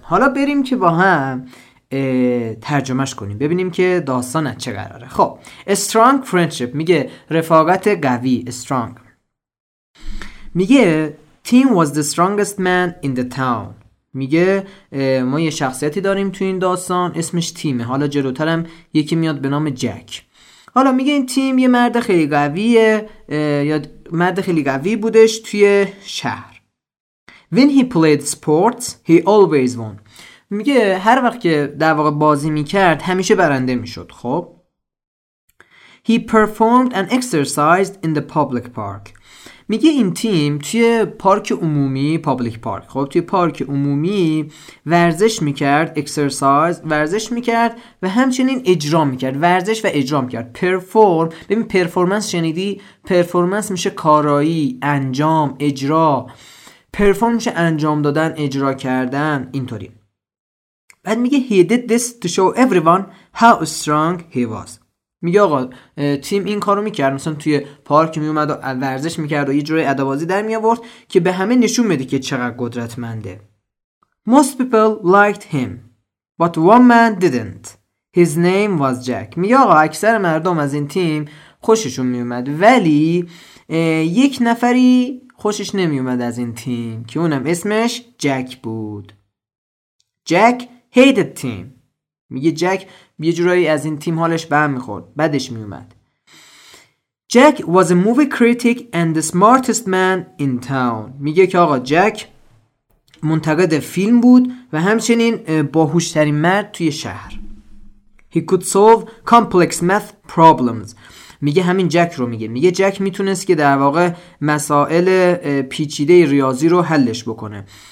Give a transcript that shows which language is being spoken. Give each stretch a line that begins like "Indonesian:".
Persian: حالا بریم که با هم ترجمهش کنیم ببینیم که داستان از چه قراره. خب
English: Strong Friendship
Persian: میگه رفاقت قوی.
English: Strong
Persian: میگه
English: Tim was the strongest man in the town.
Persian: میگه ما یه شخصیتی داریم تو این داستان، اسمش تیمه. حالا جلوترم یکی میاد به نام جک. حالا میگه این تیم یه مرد خیلی قویه، یا مرد خیلی قوی بودش توی شهر.
English: When he played sports, he always won.
Persian: میگه هر وقت که در واقع بازی میکرد همیشه برنده میشد.
English: خب He performed an exercise in the public park.
Persian: میگه این تیم توی پارک عمومی، پابلیک پارک، خب توی پارک عمومی ورزش میکرد، اکسرسایز، ورزش میکرد و همچنین اجرا میکرد، ورزش و اجرا میکرد. پرفورم، ببین پرفورمنس شنیدی؟ پرفورمنس میشه کارایی، انجام، اجرا. پرفورم میشه انجام دادن، اجرا کردن، اینطوری. بعد میگه
English: he did this to show everyone how strong he was.
Persian: میگه آقا تیم این کارو میکرد، مثلا توی پارک میومد و ورزش میکرد و یه جوری ادبازی در میآورد که به همه نشون بده که چقدر قدرتمنده.
English: Most people liked him, but one man didn't. His name was Jack.
Persian: میگه آقا اکثر مردم از این تیم خوششون میومد، ولی یک نفری خوشش نمیومد از این تیم که اونم اسمش جک بود.
English: Jack hated team.
Persian: میگه جک یه جورایی از این تیم حالش به هم میخورد، بدش میومد.
English: Jack was a movie critic and the smartest man in town.
Persian: میگه که آقا جک منتقد فیلم بود و همچنین باهوشترین مرد توی شهر.
English: He could solve complex math problems.
Persian: میگه همین جک رو میگه. میگه جک میتونست که در واقع مسائل پیچیده ریاضی رو حلش بکنه.